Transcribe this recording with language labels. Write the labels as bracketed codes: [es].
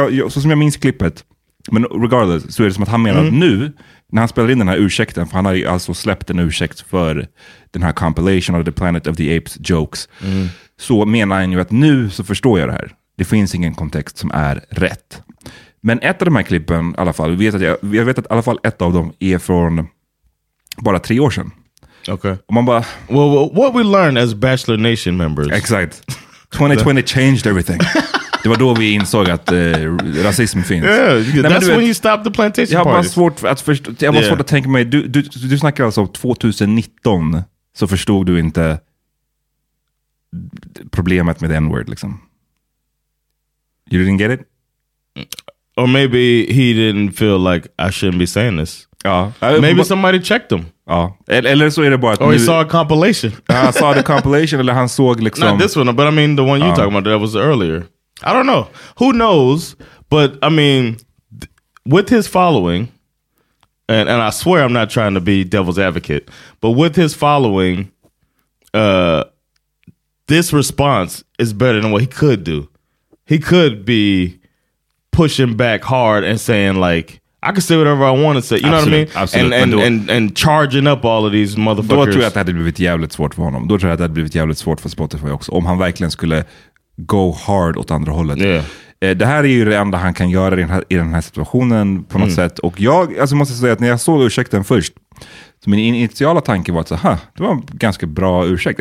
[sv] Så som jag minns klippet, men regardless, så är det som att han menar att nu, när han spelar in den här ursäkten, för han har ju alltså släppt en ursäkt för den här [en] compilation of the Planet of the Apes jokes, [sv] så menar han ju att nu så förstår jag det här. Det finns ingen kontext som är rätt. Men ett av de här klippen, i alla fall, jag vet att i alla fall ett av dem är från bara 3 år sedan. [en] Okay. [sv] Och man bara... [en] Well, what we learned as Bachelor Nation members. [sv] Exakt. [en] 2020 changed everything. [sv] Det var då vi insåg att rasism finns. [en] Yeah, that's when you stop the plantation party. [sv] Jag var svårt att tänka mig. Du snackar alltså om 2019, så förstod du inte problemet med the N-word, liksom. [en] You didn't get it? Or maybe he didn't feel like I shouldn't be saying this. [sv] Ja. [en] Maybe somebody checked him. [sv] Ja. Eller så är det bara att... [en] Or he saw a compilation. [sv] Han [en] saw the compilation, [sv] eller han såg liksom... [en] Not this one, but I mean the one you're talking about, that was earlier. I don't know. Who knows? But, I mean, with his following, and I swear I'm not trying to be devil's advocate, but with his following, this response is better than what he could do. He could be pushing back hard and saying, like, I can say whatever I want to say. You absolutely know what I mean? Absolutely. And charging up all of these motherfuckers. [sv] Då tror jag att det hade blivit jävligt svårt för honom. Då tror jag att det hade blivit jävligt svårt för Spotify också. Om han verkligen skulle... [en] go hard [sv] åt andra hållet. [en] Yeah. [sv] Det här är ju det enda han kan göra i den här situationen på något sätt. Och jag, alltså måste säga att när jag såg ursäkten först, så min initiala tanke var att så, det var en ganska bra ursäkt.